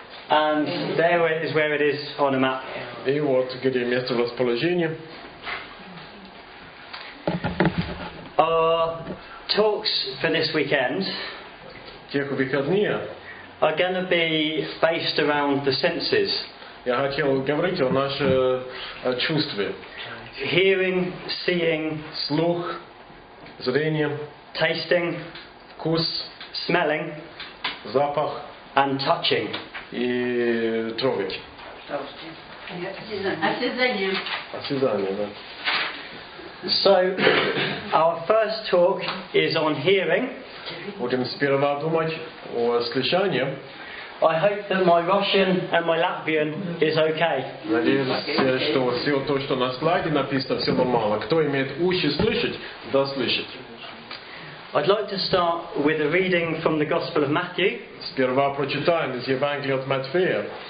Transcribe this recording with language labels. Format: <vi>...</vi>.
<en>And there is where it is on a map.</en> <ru>И вот где место расположения.</ru> <en>Our talks for this weekend are going to be based around the senses.</en> <ru>Я хотел говорить о наших чувствах.</ru> <en>Hearing, seeing,</en> <ru>слух, зрение,</ru> <en>tasting,</en> <ru>вкус,</ru> <en>smelling,</en> <ru>запах,</ru> <en>and touching.</en> <ru>И трогать. Осязание, да.</ru> <en>So, our first talk is on hearing.</en> <ru>Будем сперва думать о слышании.</ru> <en>I hope that my Russian and my Latvian is okay.</en> <ru>Надеюсь, что все то, что на слайде написано, все нормально. Кто имеет уши слышать, да слышать.</ru> <en>I'd like to start with a reading from the Gospel of Matthew.</en> <ru>Сперва прочитаем из Евангелия от Матфея.</ru>